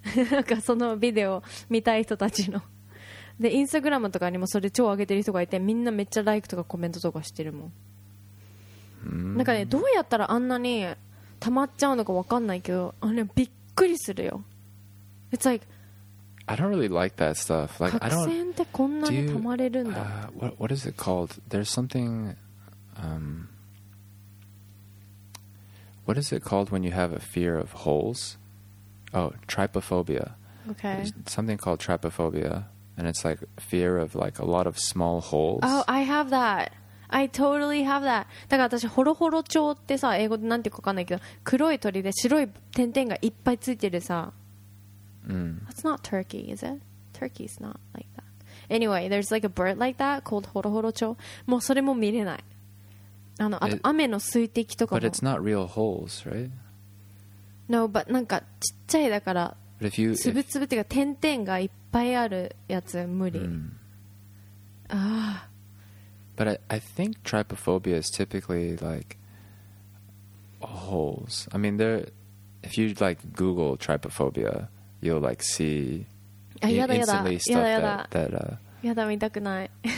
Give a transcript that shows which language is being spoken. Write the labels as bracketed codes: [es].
[ja] なんかそのビデオを見たい人たちの。でインスタグラムとかにもそれ超上げてる人がいて、みんなめっちゃライクとかコメントとかしてるもん。なんかね、どうやったらあんなに溜まっちゃうのか分かんないけど、あれびっくりするよ。 [en] It's like I don't really like that stuff. Like, [ja] 角栓ってこんなに溜まれるんだ。 [en] What is it called? There's something What is it called when you have a fear of holes? Oh, trypophobia. Okay. There's something called trypophobia. And it's like fear of like a lot of small holes. Oh, I have that. I totally have that. [ja] だから私ホロホロ鳥ってさ、英語でなんていうかわかんないけど、黒い鳥で白い点々がいっぱいついてるさ。 [en] That's not turkey, is it? Turkey's not like that. Anyway, there's like a bird like that called ホロホロ鳥。 [ja] もうそれも見れない。あと雨の水滴とかも。 [en] But it's not real holes, right? No, but [ja] なんかちっちゃいだから。 [en] But if you, [ja] つぶつぶっていうか点々がいっぱいあるやつ無理。 [en] But I think trypophobia is typically like holes. I mean, there. If you like Google trypophobia, you'll like see instantly stuff that. [ja] やだ見たくない。